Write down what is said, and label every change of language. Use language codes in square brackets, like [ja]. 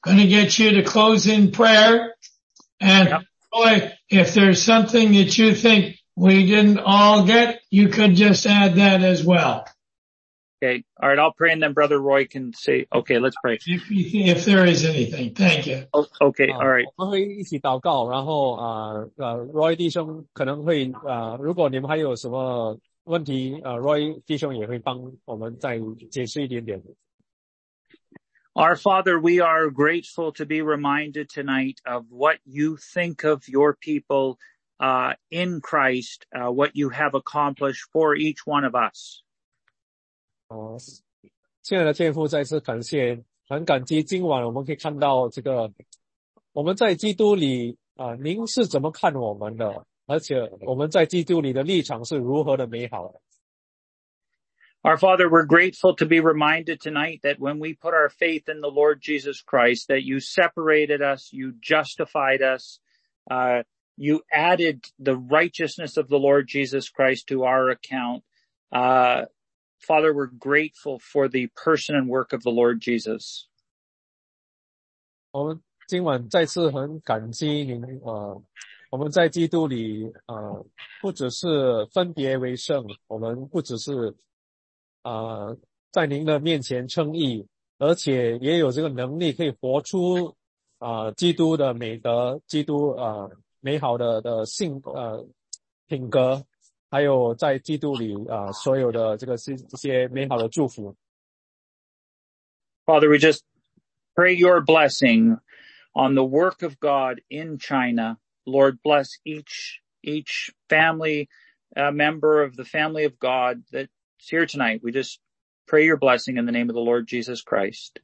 [en] I'm going to get you to close in prayer. And yep. Roy, if there's something that you think we didn't all get, you could just add that as well. Okay. All right. I'll pray and then Brother Roy can say, okay, let's pray. If there is anything, thank you. Okay. All right. [zh] 我们会一起祷告，然后Roy 弟兄可能会如果你们还有什么问题Roy 弟兄也会帮我们再解释一点点。 [en] Our Father, we are grateful to be reminded tonight of what you think of your people, in Christ, what you have accomplished for each one of us. [zh] 亲爱的天父，再次感谢，很感激今晚我们可以看到这个我们在基督里您是怎么看我们的，而且我们在基督里的立场是如何的美好的。 [en] Our Father, we're grateful to be reminded tonight that when we put our faith in the Lord Jesus Christ, that you separated us, you justified us, you added the righteousness of the Lord Jesus Christ to our account. Father, we're grateful for the person and work of the Lord Jesus. [zh] 我们今晚再次很感激您我们在基督里不只是分别为圣，我们不只是在您的面前称义，而且也有这个能力可以活出基督的美德，基督美好的性品格。还有在基督里所有的这些美好的祝福。 [en] Father, we just pray your blessing on the work of God in China. Lord, bless each family, member of the family of God that's here tonight. We just pray your blessing in the name of the Lord Jesus Christ.